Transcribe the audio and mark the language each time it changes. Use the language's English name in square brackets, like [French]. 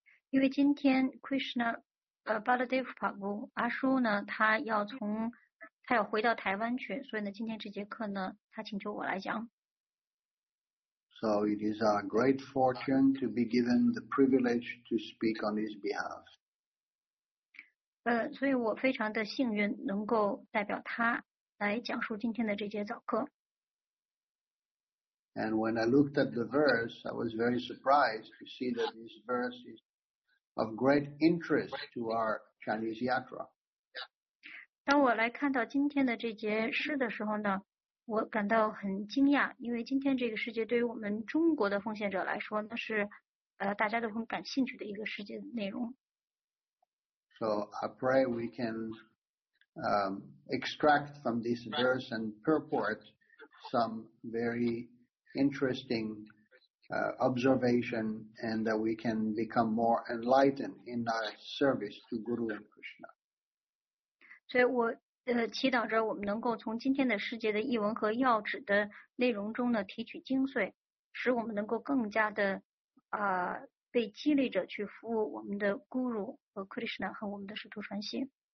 [Chinese] 因为今天 Krishna, Baladev Prabhu, 阿叔呢，他要回到台湾去，所以呢，今天这节课呢，他请求我来讲。 [English] So it is our great fortune to be given the privilege to speak on his behalf. [Chinese] 所以我非常的幸运能够代表他来讲述今天的这节早课。 [English] And when I looked at the verse, I was very surprised to see that this verse is of great interest to our Chinese yatra. [Chinese] 当我来看到今天的这节诗的时候呢，我感到很惊讶，因为今天这个世界对于我们中国的奉献者来说，那是大家都很感兴趣的一个世界内容。 [English] So I pray we can extract from this verse and purport some very interesting observation, and that we can become more enlightened in our service to Guru and Krishna. [Chinese] 所以我祈祷着我们能够从今天的世界的译文和要旨的内容中呢提取精髓，使我们能够更加的被激励着去服务我们的 Guru 和 Krishna 和我们的师徒传心。